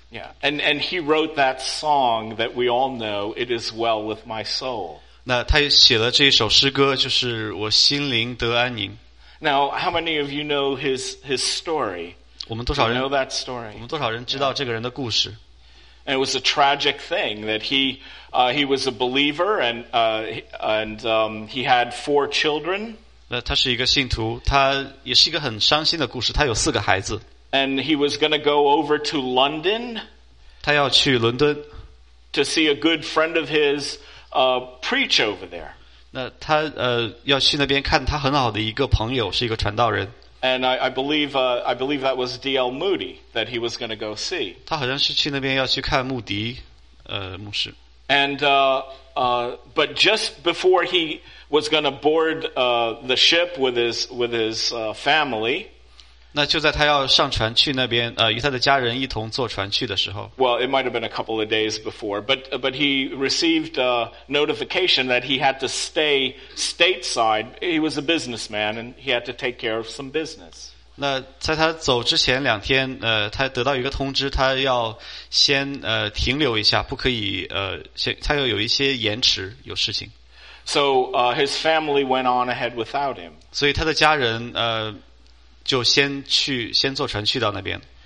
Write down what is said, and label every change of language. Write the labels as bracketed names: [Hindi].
[English] Yeah, and he wrote that song that we all know, It Is Well With My Soul. [Chinese] 那他写了这首诗歌，就是我心灵得安宁。 [English] Now, how many of you know his story? [Chinese] 我们多少人 [English] know that story? [Chinese] 我们多少人知道这个人的故事？ [English] And it was a tragic thing that he was a believer and he had four children. [Chinese] 那他是一个信徒，他也是一个很伤心的故事，他有四个孩子。 [English] And he was going to go over to London. [Chinese] 他要去伦敦 [English] to see a good friend of his preach over there. [Chinese] 那他要去那边看他很好的一个朋友，是一个传道人。 [English] And I believe that was D.L. Moody that he was going to go see. [Chinese] 他好像是去那边要去看穆迪，牧师。 [English] And but just before he was going to board the ship with his family. [Chinese] 那就在他要上船去那边与他的家人一同坐船去的时候。 [English] Well, it might have been a couple of days before, but he received a notification that he had to stay stateside. He was a businessman and he had to take care of some business. [Chinese] 那在他走之前两天他得到一个通知，他要先停留一下，不可以他要有一些延迟，有事情。 [English] So, his family went on ahead without him. [Chinese] 所以他的家人就先坐船去到那边。